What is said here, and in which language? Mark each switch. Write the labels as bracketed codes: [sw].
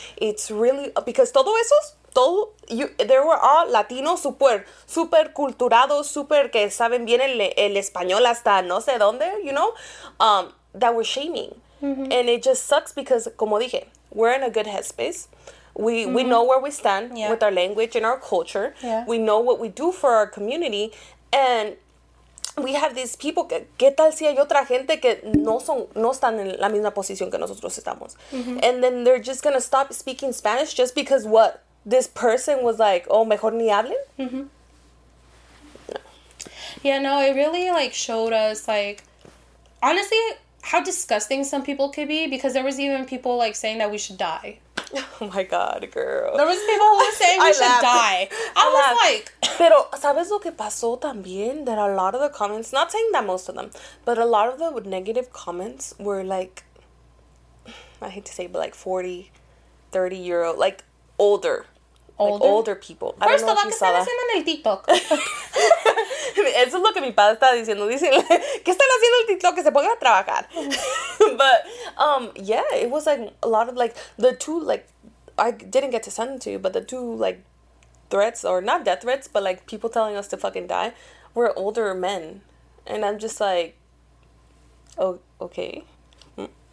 [en] It's really, because [es] todo eso, [en] there were all Latinos super, [es] super culturados, super que saben bien el español hasta no sé dónde, [en] you know, that were shaming. Mm-hmm. And it just sucks because, [es] como dije, [en] we're in a good headspace. We mm-hmm. we know where we stand yeah. with our language and our culture. Yeah. We know what we do for our community. And we have these people. [es] ¿Qué tal si hay otra gente que no están en la misma posición que nosotros estamos? Mm-hmm. [en] And then they're just going to stop speaking Spanish just because what? This person was like, oh, [es] mejor ni hablen? Mm-hmm. No. [en] Yeah, no, it really, like, showed us, like, honestly, how disgusting some people could be, because there was even people, like, saying that we should die. Oh, my God, girl. There was people who were saying we should die. I was like... [es] Pero, ¿sabes lo que pasó también? [en] That a lot of the comments, not saying that most of them, but a lot of the negative comments were, like, I hate to say, but, like, 40, 30-year-old, like, older. older people. First of all, [es] que están haciendo en el TikTok. Eso es lo que mi padre está diciendo. Dicen, ¿qué están haciendo el TikTok? Que se pongan a trabajar. [en] But, yeah, it was, like, a lot of, like, the two, like, I didn't get to send them to you, but the two, like, threats, or not death threats, but, like, people telling us to fucking die, were older men. And I'm just like, oh, okay. Yeah.